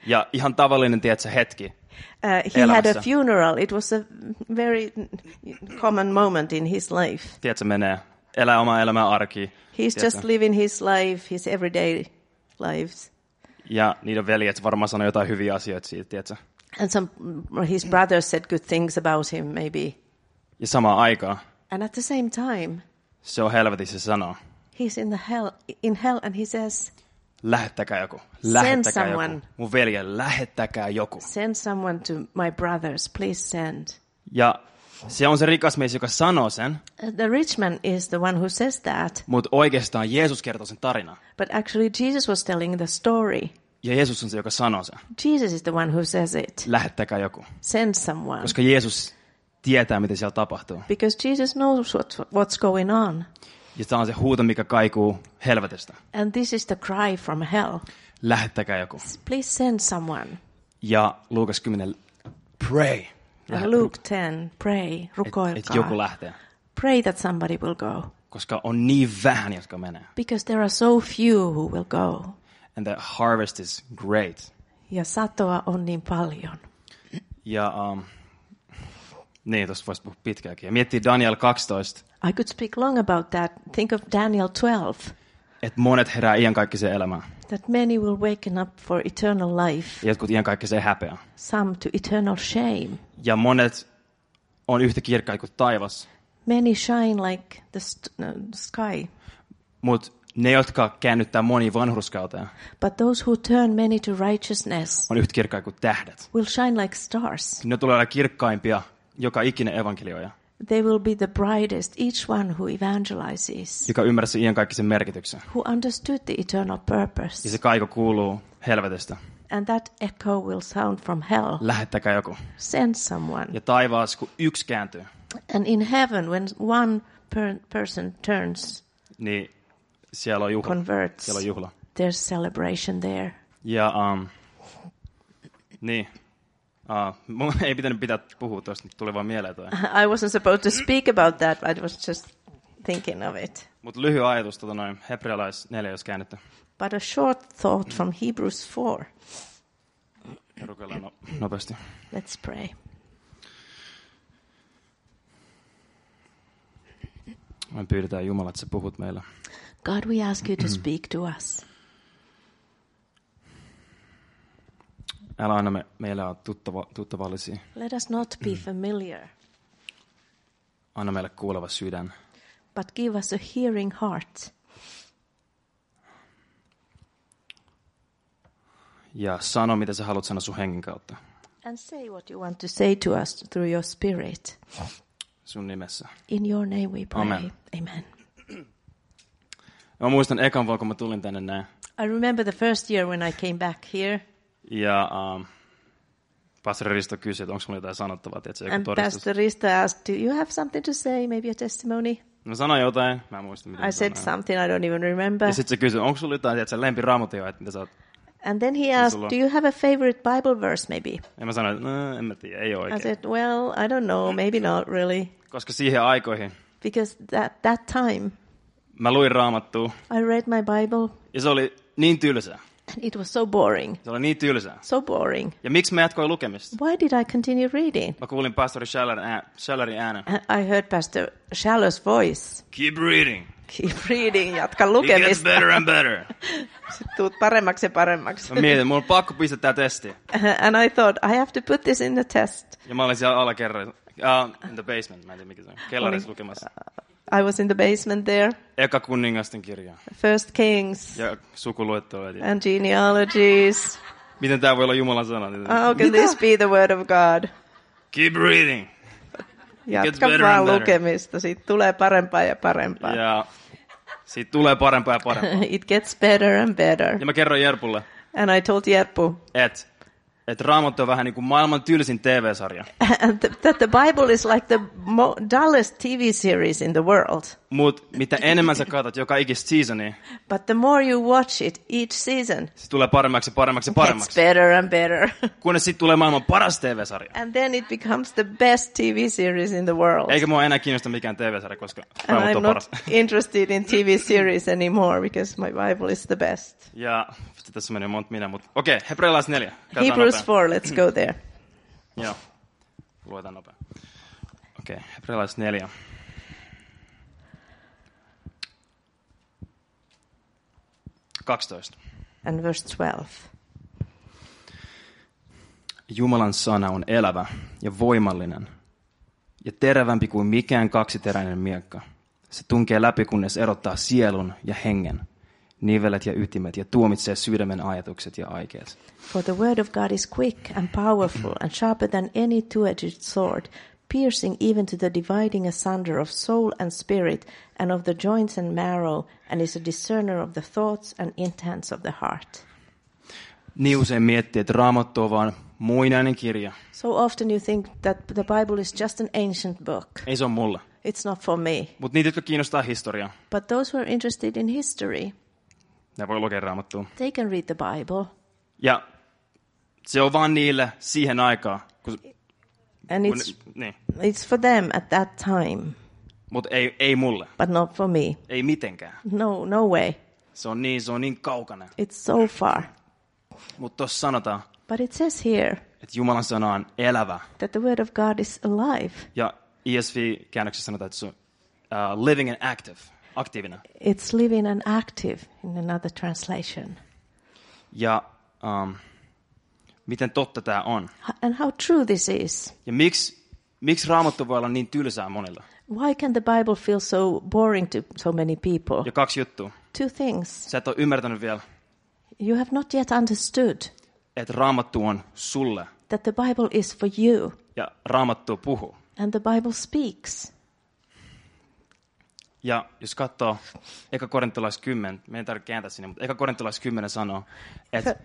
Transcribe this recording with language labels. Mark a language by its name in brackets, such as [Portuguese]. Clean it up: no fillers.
[Finnish] Ja ihan tavallinen, tiedätkö, hetki He elämässä. [English] Had a funeral. It was a very common moment in his life. [Finnish] Tiedätkö, menee. Elää omaa elämää arki. [English] He's just living his life, his everyday lives. [Finnish] Ja niiden veljet varmaan sanoi jotain hyviä asioita siitä, tiedätkö. [English] And some his brothers said good things about him, maybe. [Finnish] Ja samaan aikaan. [English] And at the same time. [Finnish] Se on helvetissä sanoo. [English] He's in hell and he says. [Finnish] Lähettäkää joku. Lähettäkää joku. Mun velje, lähettäkää joku. [English] Send someone to my brothers, please send. [Finnish] Ja se on se rikas mies, joka sanoo sen. [English] The rich man is the one who says that. [Finnish] Mut oikeastaan Jeesus kertoo sen tarinan. [English] But actually Jesus was telling the story. [Finnish] Ja Jeesus on se, joka sanoo sen. [English] Jesus is the one who says it. [Finnish] Lähettäkää joku. [English] Send someone. [Finnish] Koska Jeesus tietää, mitä siellä tapahtuu. [English] Because Jesus knows what's going on. [Finnish] Ja tämä on se huuto, mikä kaikuu helvetistä. [English] And this is the cry from hell. [Finnish] Lähettäkää joku. [English] Please send someone. [Finnish] Ja Luukas 10, pray. [English] Luke 10, pray, rukoilkaa. [Finnish] Et joku lähtee. [English] Pray that somebody will go. [Finnish] Koska on niin vähän, jotka menee. [English] Because there are so few who will go. And the harvest is great. [Finnish] Ja satoa on niin paljon. Ja niin, tuossa voisi puhua pitkäänkin. Ja miettii Daniel 12. [English] I could speak long about that. Think of Daniel 12. [Finnish] Et monet herää iankaikkiseen elämään. [English] That many will waken up for eternal life. [Finnish] Jotkut iankaikkiseen häpeään. [English] Some to eternal shame. [Finnish] Ja monet on yhtä kirkkaita kuin taivas. [English] Many shine like the sky. [Finnish] Mut ne, jotka käännyttää moni vanhurskauteen. [English] But those who turn many to righteousness. [Finnish] On yhtä kirkkaita kuin tähdet. [English] Will shine like stars. [Finnish] Ne tulee olla kirkkaimpia joka ikinen evankelioija. [English] They will be the brightest, each one who evangelizes. [Finnish] Joka ymmärsi iankaikkisen merkityksen. [English] Who understood the eternal purpose. [Finnish] Ja se kaiku kuuluu helvetistä. [English] And that echo will sound from hell. [Finnish] Lähettäkää joku. [English] Send someone. [Finnish] Ja taivaas, kun yksi kääntyy. [English] And in heaven, when one person turns. [Finnish] Niin siellä on juhla. [English] Converts. [Finnish] Siellä on juhla. [English] There's celebration there. [Finnish] Ja niin. Ei pitänyt pitää puhua tuosta, nyt tuli vaan mieleen toi. [English] I wasn't supposed to speak about that, but I was just thinking of it. [Finnish] Mut lyhy ajatus, noin, hebrealais 4, jos käännetty. [English] But a short thought from Hebrews 4. [Finnish] Rukellaan nopeasti. [English] Let's pray. [Finnish] Me pyydetään Jumala, että sä puhut meillä. [English] God, we ask you to speak to us. [Finnish] Älä anna meille olla tuttavallisia. [English] Let us not be familiar. [Finnish] Anna meille kuuleva sydän. [English] But give us a hearing heart. [Finnish] Ja sano, mitä sä haluat sanoa sun hengen kautta. [English] And say what you want to say to us through your spirit. [Finnish] Sun nimessä. [English] In your name we pray. [Finnish] Amen. [English] Amen. [Finnish] Mä muistan ekan vuoden, kun mä tulin tänne näin. [English] I remember the first year when I came back here. [Finnish] Ja pastori Risto kysyi, että onko minulla jotain sanottavaa, tiedätkö, joku [English] and [Finnish] todistus. [English] And pastori Risto asked, do you have something to say, maybe a testimony? [Finnish] No sanoin jotain, mä en muista, mitä [English] I said [Finnish] sanoin. [English] Something, I don't even remember. [Finnish] Ja sitten se kysyi, onko sinulla jotain, tiedätkö, lempi raamatio, että mitä sä oot. [English] And then he asked, do you have a favorite Bible verse, maybe? [Finnish] Ja mä sanoin, no, en mä tiedä, ei oikein. [English] I said, well, I don't know, maybe not really. [Finnish] Koska siihen aikoihin. [English] Because that time. [Finnish] Mä luin raamattua. [English] I read my Bible. [Finnish] Ja se oli niin tylsää. [English] And it was so boring. [Finnish] Se oli niin tylsää. [English] So boring. [Finnish] Ja miksi mä jatkoin lukemista? [English] Why did I continue reading? [Finnish] Mä kuulin pastori Schallerin äänen. [English] I heard pastor Schaller's voice. Keep reading. Keep reading, [Finnish] jatka lukemista. [English] It gets better and better. [Finnish] Sitten tuut paremmaksi ja paremmaksi. Mä mietin, mulla on pakko pistää tää testi. [English] And I thought, I have to put this in the test. [Finnish] Ja mä olin siellä alakerralla. [English] In the basement, [Finnish] mä en tiedä mikä se on. Kellarissa lukemassa. [English] I was in the basement there. [Finnish] Eka kuningasten kirja. [English] First Kings. [Finnish] Ja sukuluettelot. [English] And genealogies. [Finnish] Miten tämä voi olla Jumalan sana? [English] How can this be the word of God? Keep reading. [Finnish] Jatka vaan lukemista. Siitä tulee parempaa ja parempaa. [English] Yeah. [Finnish] Siitä tulee parempaa ja parempaa. [English] It gets better and better. [Finnish] Ja mä kerroin Jerpulle. [English] And I told Jerpu. [Finnish] Et Raamattu on vähän niin kuin maailman tylsin TV-sarja. [English] That the Bible is like the dullest TV series in the world. [Finnish] Mut mitä enemmän sä katsot joka ikistä seasonia. [English] But the more you watch it each season. [Finnish] Se tulee paremmaksi ja paremmaksi ja paremmaksi. [English] It's better and better. [Finnish] Kunnes sit tulee maailman paras TV-sarja. [English] And then it becomes the best TV series in the world. [Finnish] Eikä mua enää kiinnosta mikään TV-sarja, koska Raamattu on paras. [English] I'm not interested in TV series anymore because my Bible is the best. [Finnish] Ja tässä meni monta minä, mutta okei, okay, Hebrealais 4. [English] Hebrews 4, let's go there. [Finnish] Joo, luetaan nopea. Okei, okay, Hebrealais 4. [English] And verse 12. [Finnish] Jumalan sana on elävä ja voimallinen ja terävämpi kuin mikään kaksiteräinen miekka. Se tunkee läpi, kunnes erottaa sielun ja hengen, nivelet ja ytimet, ja tuomitsee sydämen ajatukset ja aikeet. [English] For the word of God is quick and powerful and sharper than any two-edged sword, piercing even to the dividing asunder of soul and spirit and of the joints and marrow, and is a discerner of the thoughts and intents of the heart. [Finnish] Niin usein miettii, että Raamattu on vaan muinainen kirja. [English] So often you think that the Bible is just an ancient book. [Finnish] Ei se ole mulle. [English] It's not for me. [Finnish] Mut niitä, jotka kiinnostaa historiaa. [English] But those who are interested in history, [Finnish] ne voi lukea Raamattua. [English] They can read the Bible. [Finnish] Ja se on vaan niille siihen aikaan. [English] It's for them at that time. [Finnish] Mut ei mulle. [English] But not for me. [Finnish] Ei mitenkään. [English] No way. [Finnish] Se on niin kaukana. [English] It's so far. [Finnish] Mut tossa sanotaan. [English] But it says here. [Finnish] Että Jumalan sana on elävä. [English] That the word of God is alive. [Finnish] Ja ESV-käännöksessä sanotaan, että se on [English] living and active. [Finnish] Aktiivinen. [English] It's living and active in another translation. [Finnish] Ja miten totta tämä on? [English] And how true this is. [Finnish] Ja miksi Raamattu voi olla niin tylsää monilla? [English] Why can the Bible feel so boring to so many people? [Finnish] Ja kaksi juttua. [English] Two things. [Finnish] Sä et ole ymmärtänyt vielä. [English] You have not yet understood. [Finnish] Että Raamattu on sulle. [English] That the Bible is for you. [Finnish] Ja Raamattu puhuu. [English] And the Bible speaks. [Finnish] Ja jos katsoo eka korintolais 10, me ei tarvitse kääntää sinne, mutta eka korintolais 10 sanoo, että